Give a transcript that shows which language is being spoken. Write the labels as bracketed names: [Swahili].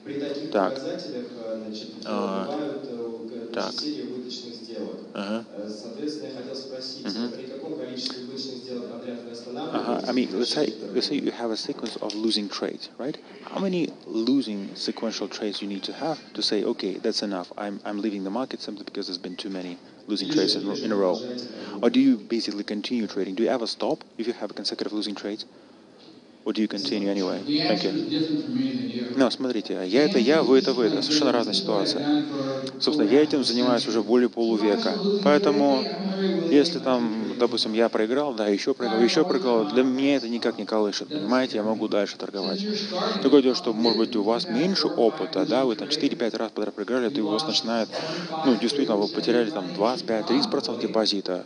[Russian] При таких показателях, значит, добавляют к коэффициенте выточных сделок. Соответственно, я хотел спросить, при каком количестве обычных сделок подряд вы останавливаетесь? [English] I mean, let's say you have a sequence of losing trades, right? How many losing sequential trades you need to have to say, okay, that's enough, I'm leaving the market simply because there's been too many losing trades in a row? Or do you basically continue trading? Do you ever stop if you have a consecutive losing trades? Or do you continue anyway? Thank you. No, [Russian] смотрите, я это я, вы это вы. Это совершенно разная ситуация. Собственно, я этим занимаюсь уже более полувека. Поэтому, если там, допустим, я проиграл, да, еще проиграл, для меня это никак не колышет. Понимаете, я могу дальше торговать. Такое дело, что, может быть, у вас меньше опыта, да, вы там 4-5 раз подряд проиграли, то у вас начинает, ну, действительно, вы потеряли там 25-30% депозита.